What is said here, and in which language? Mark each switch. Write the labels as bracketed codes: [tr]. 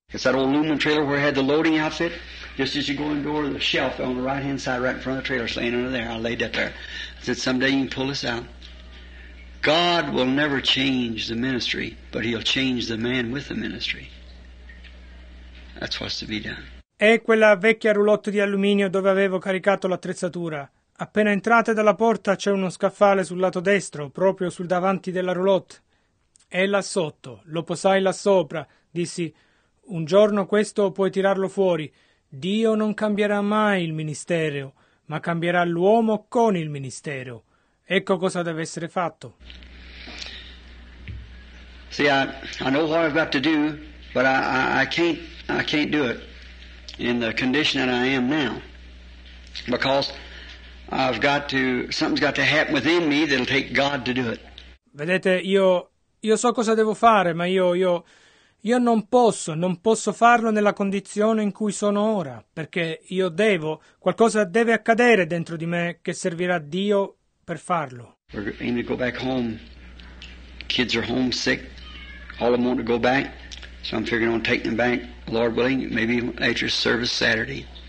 [en] It's that old lumen trailer where I had the loading outfit. Just as you go in the door, the shelf on the right-hand side, right in front of the trailer, laying under there. I laid that there. I said, someday you can pull this out. God will never change the ministry, but he'll change the man with the ministry. That's what's to be done. [it] È quella vecchia roulotte di alluminio dove avevo caricato l'attrezzatura. Appena entrate dalla porta c'è uno scaffale sul lato destro, proprio sul davanti della roulotte. È là sotto, lo posai là sopra. Dissi, un giorno questo puoi tirarlo fuori. Dio non cambierà mai il ministero, ma cambierà l'uomo con il ministero. Ecco cosa deve essere fatto. [en] See, I know what I've got to do, but I can't do it in the condition that I am now, because something's got to happen within me that'll take God to do it. [it] Vedete, io so cosa devo fare, ma io non posso farlo nella condizione in cui sono ora, perché io devo, qualcosa deve accadere dentro di me che servirà a Dio per farlo. [en] We're aiming to go back home. Kids are homesick. All of them want to go back. So I'm figuring on taking them back, Lord willing, maybe after service Saturday.